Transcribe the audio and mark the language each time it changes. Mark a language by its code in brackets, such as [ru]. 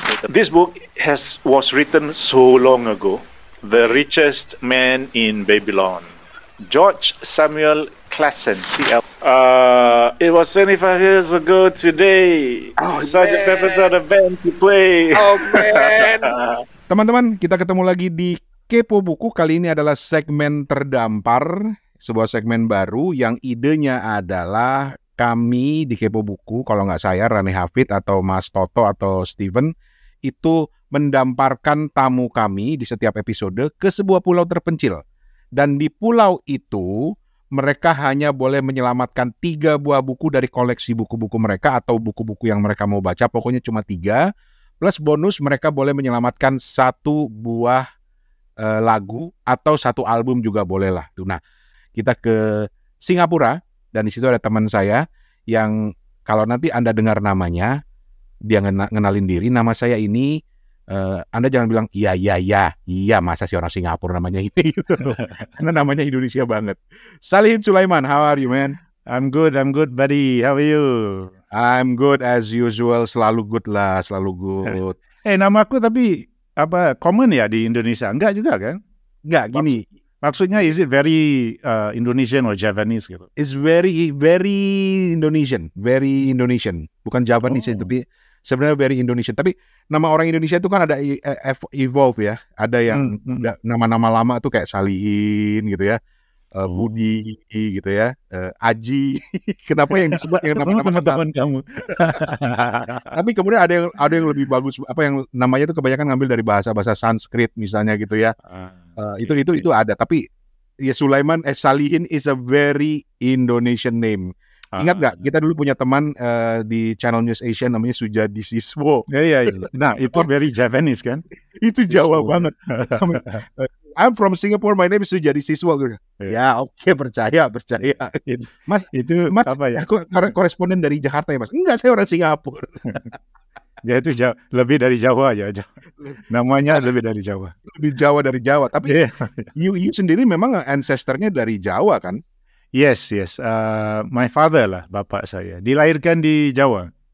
[en] This book was written so long ago. The Richest Man in Babylon, George Samuel Classen, CL. It was 25 years ago today. Sergeant Pepper's had a band to play. Oh man. [id] Teman-teman, kita ketemu lagi di Kepo Buku. Kali ini adalah segmen terdampar, sebuah segmen baru yang idenya adalah kami di Kepo Buku, kalau nggak saya, Rani Hafid atau Mas Toto atau Steven, itu mendamparkan tamu kami di setiap episode ke sebuah pulau terpencil. Dan di pulau itu, mereka hanya boleh menyelamatkan 3 buah buku dari koleksi buku-buku mereka atau buku-buku yang mereka mau baca, pokoknya cuma 3. Plus bonus, mereka boleh menyelamatkan 1 buah lagu atau 1 album juga boleh lah. Nah, kita ke Singapura, dan di situ ada teman saya yang kalau nanti Anda dengar namanya, dia ngenalin diri, nama saya ini, Anda jangan bilang, iya, masa si orang Singapura namanya ini? Karena namanya Indonesia banget. [en] Salihin Sulaiman, how are you, man? I'm good, buddy. How are you? I'm good as usual, [id] selalu good lah, selalu good. Eh, nama aku tapi apa common ya di Indonesia? Enggak juga kan? Enggak, gini. Maksudnya, [en] is it very Indonesian or Javanese [id] gitu? [en] It's very, very Indonesian. Very Indonesian. [id] Bukan Javanese, tapi sebenarnya [en] very Indonesian. [id] Tapi nama orang Indonesia itu kan ada evolve ya. Ada yang nama-nama lama tuh kayak Salihin gitu ya. Budi gitu ya. Aji. Kenapa yang disebut yang nama-nama teman-teman kamu? Tapi kemudian ada yang lebih bagus. Apa yang namanya itu kebanyakan ngambil dari bahasa-bahasa Sanskrit misalnya gitu ya. Itu ada. Tapi ya [en] Sulaiman Salihin is a very Indonesian name. [id] Ingat gak, kita dulu punya teman di Channel News Asia namanya Sujadi Siswo. Iya. Nah, itu [en] very Javanese [id] kan? Itu Jawa banget. [en] I'm from Singapore, my name is Sujadi Siswo. [id] Ya, oke, percaya. Mas, itu mas, apa ya? Aku koresponden dari Jakarta ya, Mas? Enggak, saya orang Singapura. Ya, itu lebih dari Jawa ya. Namanya lebih dari Jawa. Lebih Jawa dari Jawa. Tapi you sendiri memang ancestornya dari Jawa kan? [en] Yes. My father [id] lah, bapak saya. Dilahirkan di Jawa.